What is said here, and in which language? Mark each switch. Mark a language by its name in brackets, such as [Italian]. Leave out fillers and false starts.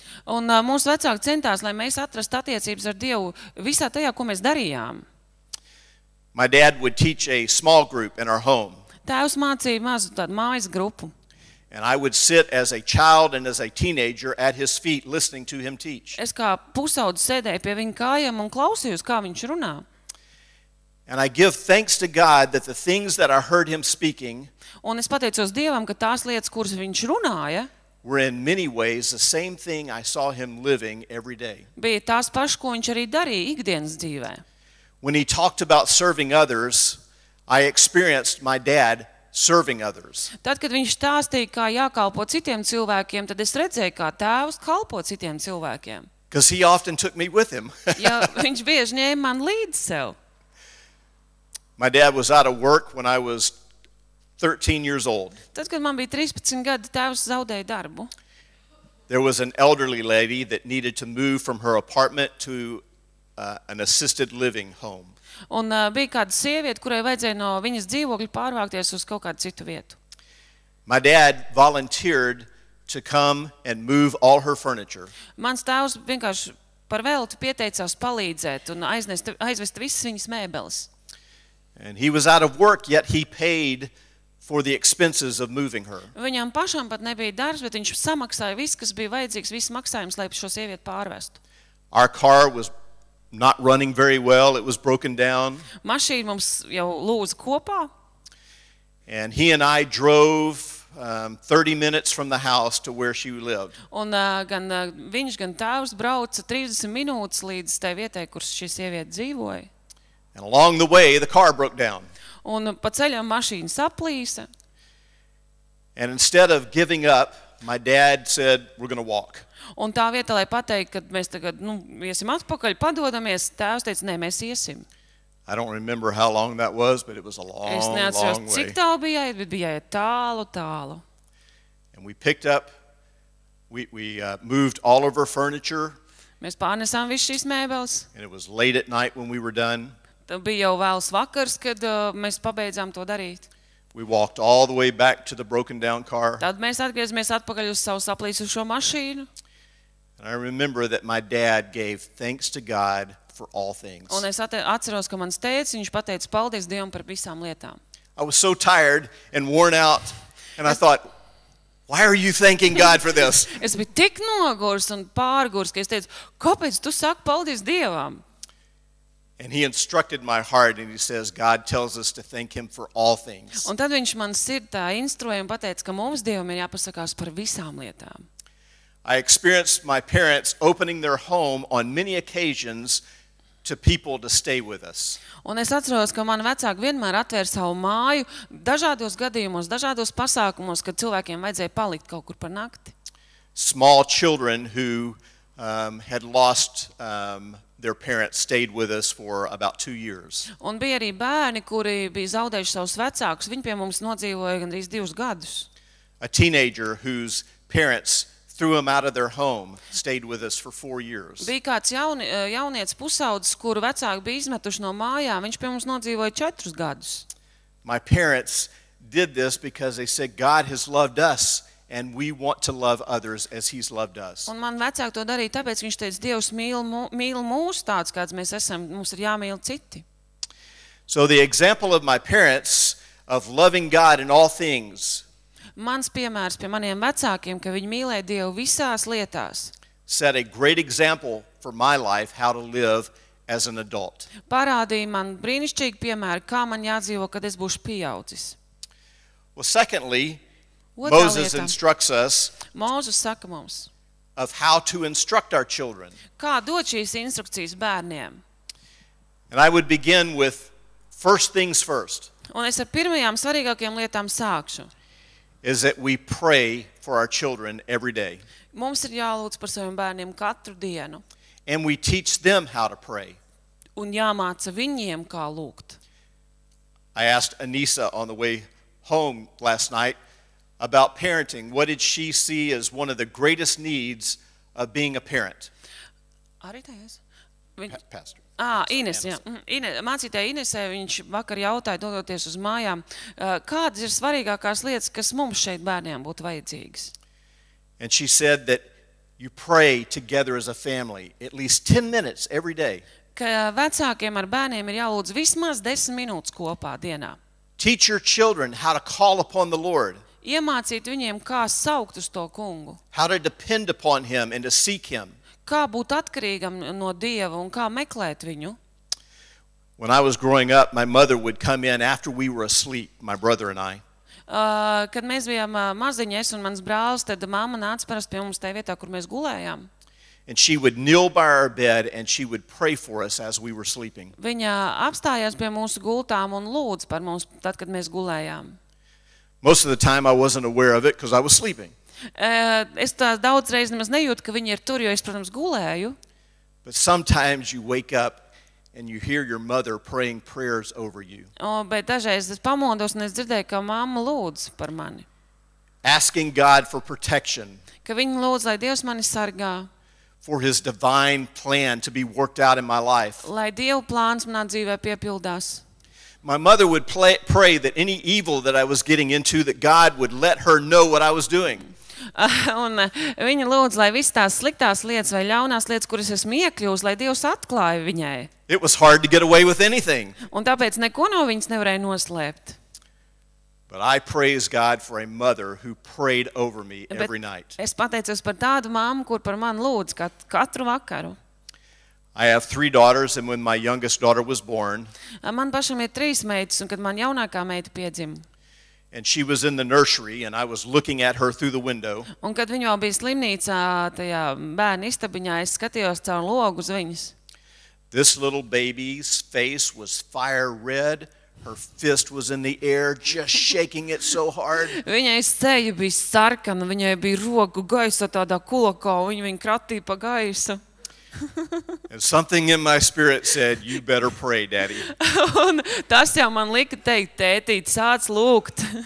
[Latvian] Un mūsu vecāki centās, lai mēs atrastu attiecības ar Dievu visā tajā, ko mēs darījām. [English] My dad would teach a small group in our home. [Latvian] Tēvs mācīja mazu tādu mājas grupu. [English] And I would sit as a child and as a teenager at his feet listening to him teach. [Latvian] Es kā pusaudze sēdēju pie viņa kājām un klausījos, kā viņš runā. [English] And I give thanks to God that the things that I heard him speaking. [Latvian] Un es pateicos Dievam, ka tās lietas, kuras viņš runāja, [English] were in many ways the same thing I saw him living every day. [Latvian] Bija tās pašas, ko viņš arī darīja ikdienas dzīvē. [English] When he talked about serving others, I experienced my dad serving others. [Latvian] Tad, kad viņš stāstīja, kā jākalpo citiem cilvēkiem, tad es redzēju, kā tēvs kalpo citiem cilvēkiem. [English] Because he often took me with him. [Latvian] Jo viņš bieži ņēma man līdz sev. [English] My dad was out of work when I was 13 years old. [Latvian] Tad, kad man bija 13 gadi, tēvs zaudēja darbu. [English] There was an elderly lady that needed to move from her apartment to an assisted living home. [Latvian] Un bija kāda sieviete, kurai vajadzēja no viņas dzīvokļa pārvākties uz kaut kādu citu vietu. [English] My dad volunteered to come and move all her furniture. [Latvian] Mans tēvs vienkārši par velti pieteicās palīdzēt un aizvest visas viņas mēbeles. [English] And he was out of work, yet he paid for the expenses of moving her. [Latvian] Viņam pašam pat nebija darbs, bet viņš samaksāja visu, kas bija vajadzīgs, visu maksājumus, lai šo sievieti pārvestu. [English] Our car was not running very well, it was broken down. [Latvian] Mašīna mums jau lūza kopā. [English] And he and I drove 30 minutes from the house to where she lived. [Latvian] Un gan viņš, gan tēvs brauca 30 minūtes līdz tai vietai, kur šī sieviete dzīvoja. [English] And along the way the car broke down. [Latvian] Un pa ceļam mašīna saplīsa. [English] And instead of giving up, my dad said, we're going to walk. [Latvian] Un tā vieta, lai pateikt, kad mēs tagad, nu, iesim atpakaļ, padodamies, tēvs teica, nē, mēs iesim. [English] I don't remember how long that was, but it was a long, long way. [Latvian] Es neatceros, cik tālu bija, bet bija tālu, tālu. [English] And we picked up, we moved all of her furniture. [Latvian] Mēs pārnesām visu šīs mēbeles. [English] And it was late at night when we were done. [Latvian] Bija jau vēls vakars, kad mēs pabeidzām to darīt. [English] We walked all the way back to the broken down car. [Latvian] Tad mēs atgriezāmies atpakaļ uz savu saplīsušo mašīnu. [English] And I remember that my dad gave thanks to God for all things. [Latvian] Un es atceros, ka mans tētis, viņš pateica paldies Dievam par visām lietām. [English] I was so tired and worn out and I thought, why are you thanking God for this? [Latvian] Es biju tik noguris un pārguris, ka es teicu, kāpēc tu saki paldies Dievam? [English] And he instructed my heart and he says God tells us to thank him for all things. [Latvian] Un tad viņš man sirdī instruēja un pateica, ka mums Dievam ir jāpasakās par visām lietām. [English] I experienced my parents opening their home on many occasions to people to stay with us. [Latvian] Un es atceros, ka man vecāki vienmēr atvēra savu māju dažādos gadījumos, dažādos pasākumos, kad cilvēkiem vajadzēja palikt kaut kur par nakti. [English] Small children who had lost their parents stayed with us for about 2 years. [Latvian] Un bija arī bērni, kuri bija zaudējuši savus vecākus, viņi pie mums nodzīvoja gandrīz 2 gadus. [English] A teenager whose parents threw him out of their home stayed with us for 4 years. [Latvian] Bija kāds jaunietis pusaudzis, kuru vecāki bija izmetuši no mājām, viņš pie mums nodzīvoja 4 gadus. [English] My parents did this because they said God has loved us and we want to love others as he's loved us. [Latvian] Un man vecāki to darīja, tāpēc viņš teica, Dievs mīl mūs tāds, kāds mēs esam, mums ir jāmīl citi. [English] So the example of my parents of loving God in all things. [Latvian] Mans piemērs pie maniem vecākiem, ka viņi mīlēja Dievu visās lietās. [English] Set a great example for my life how to live as an adult. [Latvian] Parādīja man brīnišķīgu piemēru, kā man jādzīvo, kad es būšu pieaudzis. [English] Well, secondly, Moses instructs us. [Latvian] Mozus saka mums. [English] Of how to instruct our children. [Latvian] Kā dot šīs instrukcijas bērniem. [English] And I would begin with first things first. [Latvian] Un es ar pirmajām svarīgākajām lietām sākšu. [English] Is that we pray for our children every day. [Latvian] Mums ir jālūdz par saviem bērniem katru dienu. [English] And we teach them how to pray. [Latvian] Un jāmāca viņiem kā lūgt. [English] I asked Anissa on the way home last night about parenting. What did she see as one of the greatest needs of being a parent? Pastor. [Latvian] Mācītāja Inese, viņš vakar jautāja, dodoties uz mājām, kādas ir svarīgākās lietas, kas mums šeit bērniem būtu vajadzīgas? [English] And she said that you pray together as a family at least 10 minutes every day. [Latvian] Ka vecākiem ar bērniem ir jālūdz vismaz 10 minūtes kopā dienā. [English] Teach your children how to call upon the Lord. [Latvian] Iemācīt viņiem, kā saukt uz to kungu. [English] How to depend upon him and to seek him. [Latvian] Kā būt atkarīgam no Dieva un kā meklēt viņu. [English] When I was growing up, my mother would come in after we were asleep, my brother and I. [Latvian] kad mēs bijām maziņi, es un mans brālis, tad mamma nāca parast pie mums tajā vietā, kur mēs gulējām. [English] And she would kneel by our bed and she would pray for us as we were sleeping. [Latvian] Viņa apstājās pie mūsu gultām un lūdz par mums tad, kad mēs gulējām. [English] Most of the time I wasn't aware of it because I was sleeping. [Latvian] Es tā daudz reizi nemaz nejūtu, ka viņa ir tur, jo es, protams, gulēju. [English] But sometimes you wake up and you hear your mother praying prayers over you. [Latvian] Bet dažreiz es pamodos un es dzirdēju, ka mamma lūdz par mani. [English] Asking God for protection. [Latvian] Ka viņa lūdz, lai Dievs mani sargā. [English] For his divine plan to be worked out in my life. [Latvian] Lai Dieva plāns manā dzīvē piepildās. [English] My mother would pray that any evil that I was getting into, that God would let her know what I was doing. [Latvian] Un viņa lūdz, lai visas tās sliktās lietas vai ļaunās lietas, kuras esmu iekļūst, lai Dievs atklāja viņai. [English] It was hard to get away with anything. [Latvian] Un tāpēc neko no viņas nevarēja noslēpt. [English] But I praise God for a mother who prayed over me every night. [Latvian] Es pateicos par tādu mammu, kur par mani lūdz katru vakaru. [English] I have three daughters and when my youngest daughter was born. [Latvian] Man pašam ir trīs meitas un kad man jaunākā meita piedzima. [English] And she was in the nursery and I was looking at her through the window. [Latvian] Un kad viņa vēl bija slimnīcā, tajā bērna istabiņā, es skatījos caur logu uz viņas. [English] This little baby's face was fire red. Her fist was in the air, just shaking it so hard. [Latvian] Viņai seja bija sarkana, viņai bija roku gaisa tādā kulakā, un viņa kratīja pa gaisu. [English] And something in my spirit said, you better pray, daddy. [Latvian] Un tas jau man lika teikt, tētīt, sāc lūgt.